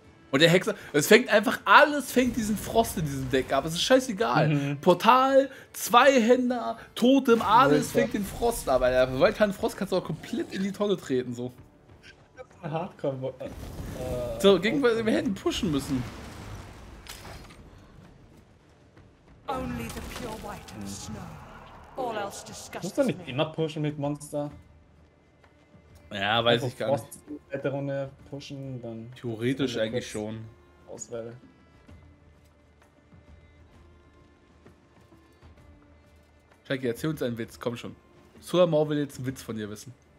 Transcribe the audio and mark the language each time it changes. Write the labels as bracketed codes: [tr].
[de] Und der Hexer, es fängt einfach, alles fängt diesen Frost in diesem Deck ab. Es ist scheißegal. Mhm. Portal, Zweihänder, Totem, alles Wolfer. Fängt den Frost ab. Weil der Wolfgang Frost kannst du auch komplett in die Tonne treten. So. Hardcore. So, gegen, okay. Wir hätten pushen müssen. [en] Only the pure white and snow. All else disgusts. [de] Musst du nicht immer pushen mit Monster? Ja, weiß ich gar nicht. Zweite Runde pushen, dann. Theoretisch eigentlich schon. Auswähle. Jackie, erzähl uns einen Witz, komm schon. Sulamor will jetzt einen Witz von dir wissen.